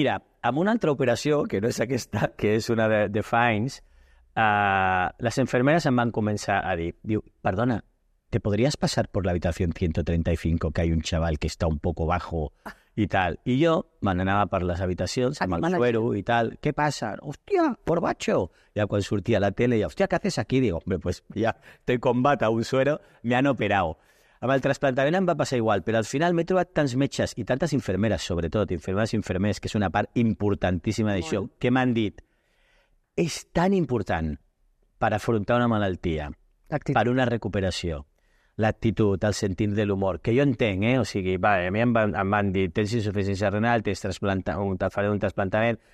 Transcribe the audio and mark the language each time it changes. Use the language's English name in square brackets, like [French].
[Catalan] Mira, amb una altra operació, que no és aquesta, que és una de Fines, les enfermeres em van començar a dir, diu, perdona, [Spanish] ¿te podrías pasar por la habitación 135 que hay un chaval que está un poco bajo y tal? [Catalan] I jo me n'anava per les habitacions amb el suero i tal. [Spanish] ¿Qué pasa? [Catalan] Hòstia, Corbacho. Ja quan sortia a la tele, ja, hòstia, [Spanish] ¿qué haces aquí? Digo, hombre, pues ya estoy con bata, un suero, me han operado. [Catalan] Amb el trasplantament em va passar igual, però al final m'he trobat tants metges i tantes infermeres, sobretot, infermeres i infermers, que és una part importantíssima d'això, que m'han dit, és tan important per afrontar una malaltia, per una recuperació, l'actitud, el sentit de l'humor, que jo entenc, eh? O sigui, va, a mi em van dir, tens insuficiència renal, faré un trasplantament.